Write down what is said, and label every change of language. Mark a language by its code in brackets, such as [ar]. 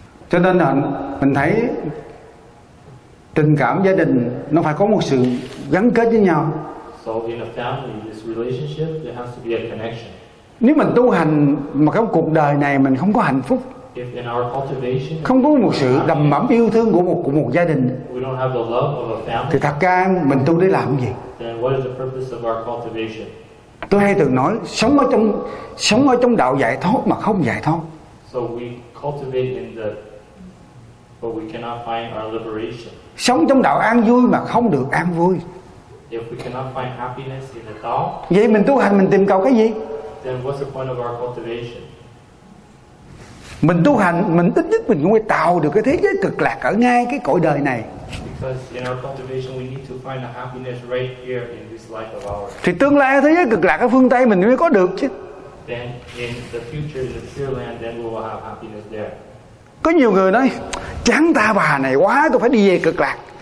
[vi] Cho nên là mình thấy tình cảm gia đình nó phải có một sự gắn kết với nhau. [en] So in a family, this relationship, there has to be a connection. [vi] Nếu mình tu hành mà trong cuộc đời này mình không có hạnh phúc, [en] if in our cultivation, [vi] không có một sự đầm ấm yêu thương của một gia đình, [en] we don't have the love of a family, [vi] thì thật ra mình tu để làm gì? [en] Then what is the purpose of our cultivation? [vi] Tôi hay từng nói sống ở trong đạo giải thoát mà không giải thoát. [en] So we cultivate in the, but we cannot find our liberation. [vi] Sống trong đạo an vui mà không được an vui. [en] If we cannot find happiness in the Tao, [vi] vậy mình tu hành mình tìm cầu cái gì? [en] Then what's the point of our cultivation? [vi] Mình tu hành mình ít nhất mình cũng phải tạo được cái thế giới cực lạc ở ngay cái cõi đời này. [en] Because in our cultivation we need to find the happiness right here in this life of ours. [vi] Thì tương lai thế giới cực lạc ở phương Tây mình mới có được chứ. [en] Then in the future in the pure land then we will have happiness there. [vi] Có nhiều người nói chán ta bà này quá, tôi phải đi về cực lạc.